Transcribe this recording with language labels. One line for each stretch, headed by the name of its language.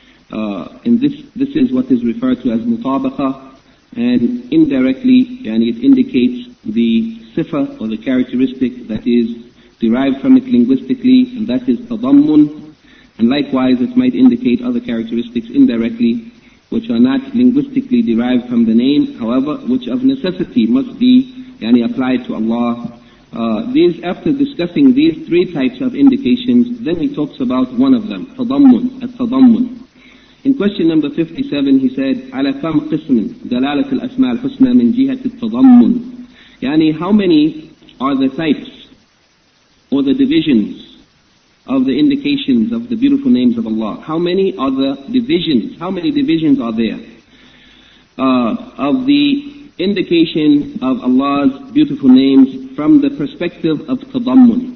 English: and this is what is referred to as mutabaqah, and indirectly, and it indicates the sifa or the characteristic that is derived from it linguistically, and that is tadammun, and likewise it might indicate other characteristics indirectly, which are not linguistically derived from the name, however, which of necessity must be yani applied to Allah. These, after discussing these three types of indications, then he talks about one of them, tadammun, at-tadammun. In question number 57, he said,
Arabic: عَلَى كَمْ قِسْمٍ دَلَالَةِ الْأَسْمَى الْحُسْنَى مِنْ جِهَةِ التَّضَمُّنِ.
English: Yani, how many are the types or the divisions of the indications of the beautiful names of Allah? How many are the divisions? How many divisions are there of the indication of Allah's beautiful names from the perspective of tadammun?